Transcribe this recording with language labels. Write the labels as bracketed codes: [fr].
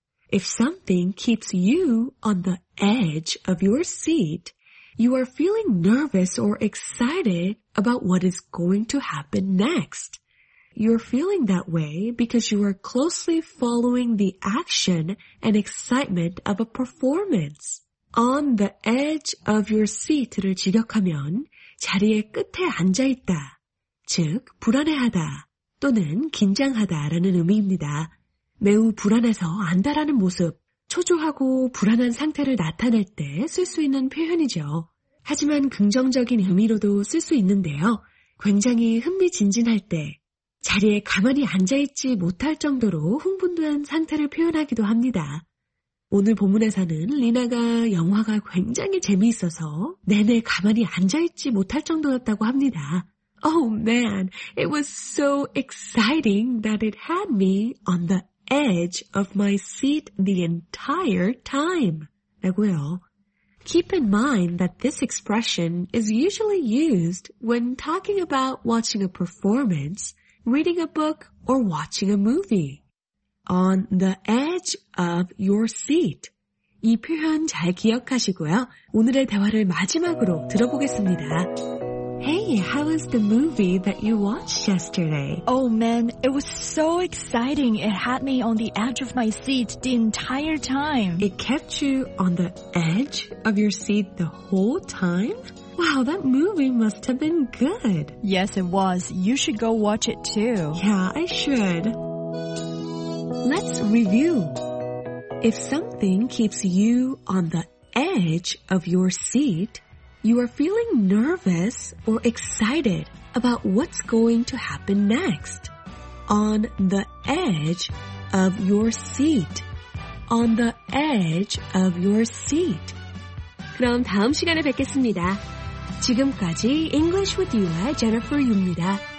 [en] If something keeps you on the edge of your seat, you are feeling nervous or excited about what is going to happen next. You're feeling that way because you are closely following the action and excitement of a performance. On the edge of your seat를 [ko] 직역하면 자리의 끝에 앉아있다, 즉 불안해하다 또는 긴장하다라는 의미입니다. 매우 불안해서 안다라는 모습, 초조하고 불안한 상태를 나타낼 때 쓸 수 있는 표현이죠. 하지만 긍정적인 의미로도 쓸 수 있는데요. 굉장히 흥미진진할 때, 자리에 가만히 앉아있지 못할 정도로 흥분된 상태를 표현하기도 합니다. 오늘 본문에서는 리나가 영화가 굉장히 재미있어서 내내 가만히 앉아있지 못할 정도였다고 합니다. [en] Oh man, it was so exciting that it had me on the edge of my seat the entire time. [ko] 라고요. [en] Keep in mind that this expression is usually used when talking about watching a performance, reading a book, or watching a movie. On the edge of your seat. [ko] 이 표현 잘 기억하시고요. 오늘의 대화를 마지막으로 들어보겠습니다. [en] Hey, how was the movie that you watched yesterday? Oh man, it was so exciting. It had me on the edge of my seat the entire time. It kept you on the edge of your seat the whole time? Wow, that movie must have been good. Yes, it was. You should go watch it too. Yeah, I should. Let's review. If something keeps you on the edge of your seat, you are feeling nervous or excited about what's going to happen next. On the edge of your seat. On the edge of your seat. [ko] 그럼 다음 시간에 뵙겠습니다. 지금까지 English with You의 Jennifer Yu입니다.